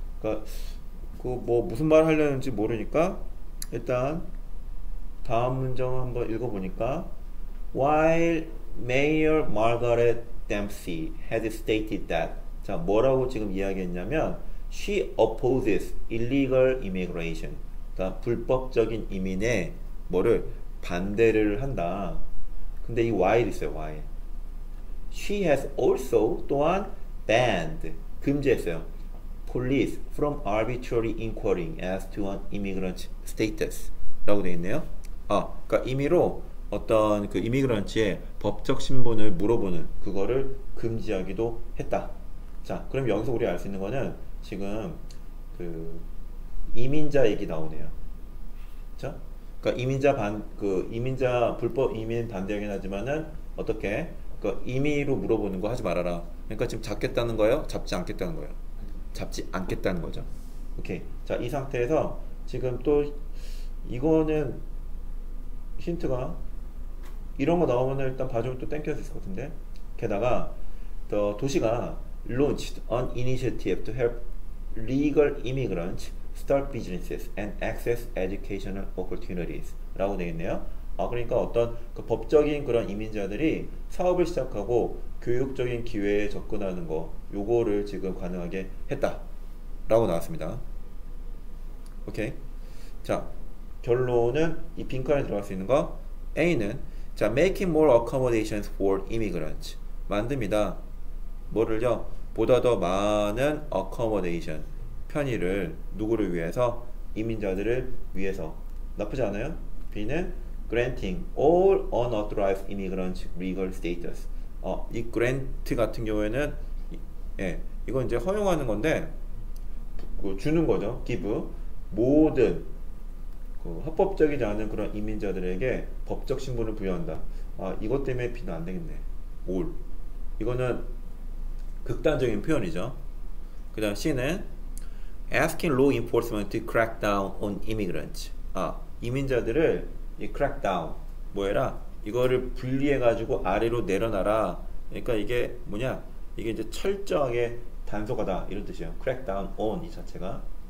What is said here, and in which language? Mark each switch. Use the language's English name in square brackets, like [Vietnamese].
[Korean] 그러니까 그뭐 무슨 말 하려는지 모르니까 일단 다음 문장을 한번 읽어보니까 [English] While Mayor Margaret Dempsey has stated that [Korean] 자, 뭐라고 지금 이야기했냐면 [English] She opposes illegal immigration [Korean] 그러니까 불법적인 이민에 뭐를 반대를 한다. 근데 이 while 있어요, while. [English] She has also [Korean] 또한 [English] banned [Korean] 금지했어요. [English] Police from arbitrary inquiring as to an immigrant status [Korean] 라고 되어 있네요. 그러니까 임의로 어떤 그 이미그런트의 법적 신분을 물어보는 그거를 금지하기도 했다. 자, 그럼 여기서 우리가 알수 있는 거는 지금 그 이민자 얘기 나오네요. 그쵸? 그러니까 이민자 반, 그 이민자 불법 이민 반대하긴 하지만은 어떻게? 그 임의로 물어보는 거 하지 말아라. 그러니까 지금 잡겠다는 거예요? 잡지 않겠다는 거예요? 잡지 않겠다는 거죠. 오케이. 자, 이 상태에서 지금 또 이거는 힌트가 이런 거 나오면 일단 봐주면 또 땡겨질 것 같은데. 게다가 더 도시가 [English] launched an initiative to help legal immigrants start businesses and access educational opportunities [Korean] 라고 되어 있네요. 그러니까 어떤 그 법적인 그런 이민자들이 사업을 시작하고 교육적인 기회에 접근하는 거, 요거를 지금 가능하게 했다. 라고 나왔습니다. 오케이. 자, 결론은 이 빈칸에 들어갈 수 있는 거. A는, 자, [English] making more accommodations for immigrants. [Korean] 만듭니다. 뭐를요? 보다 더 많은 accommodation. 편의를, 누구를 위해서? 이민자들을 위해서. 나쁘지 않아요? B는, [English] Granting all unauthorized immigrants legal status. [Korean] 이 grant 같은 경우에는, 예, 이건 이제 허용하는 건데, 그 주는 거죠. [English] Give. [Korean] 모든, 그 합법적이지 않은 그런 이민자들에게 법적 신분을 부여한다. 이것 때문에 B는 안 되겠네. [English] All. [Korean] 이거는 극단적인 표현이죠. 그 다음 C는, [English] Asking law enforcement to crack down on immigrants. [Korean] 이민자들을 이 crackdown 뭐해라 이거를 분리해가지고 아래로 내려놔라 그러니까 이게 뭐냐 이게 이제 철저하게 단속하다 이런 뜻이에요 crackdown on 이 자체가